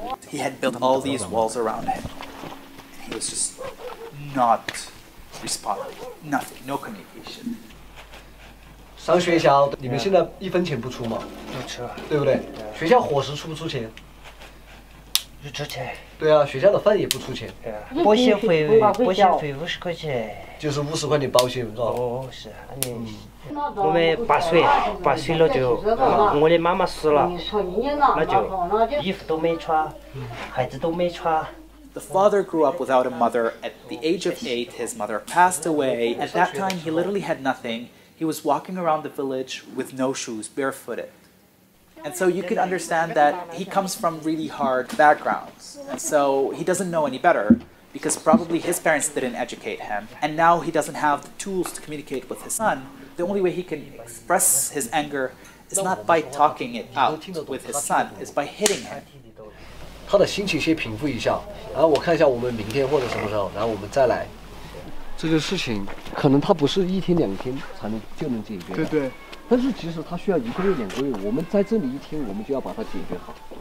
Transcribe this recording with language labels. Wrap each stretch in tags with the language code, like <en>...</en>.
<en>He had built all these walls around him, and he was just not responding. Nothing, no communication.</en> <zh>上学校，你们现在一分钱不出吗？不出，对不对？学校伙食出不出钱？不出钱。对啊，学校的饭也不出钱。对啊，保险费50块钱。就是50块你包薪是吧？哦，是啊，你、嗯、我们八岁了就、我的妈妈死了，那就衣服都没穿、孩子都没穿。</zh> <en>The father grew up without a mother. At the age of 8, his mother passed away. At that time, he literally had nothing. He was walking around the village with no shoes, barefooted. And so you can understand that he comes from really hard backgrounds. And so he doesn't know any better. Because probably his parents didn't educate him, and now he doesn't have the tools to communicate with his son. The only way he can express his anger is not by talking it out with his son, is by hitting him.</en> <zh>他的心情先平复一下，然后我看一下我们明天或者什么时候，然后我们再来。这个事情可能他不是一天两天才能就能解决。对对。但是其实他需要一个月两个月，我们在这里一天，我们就要把它解决好。</zh>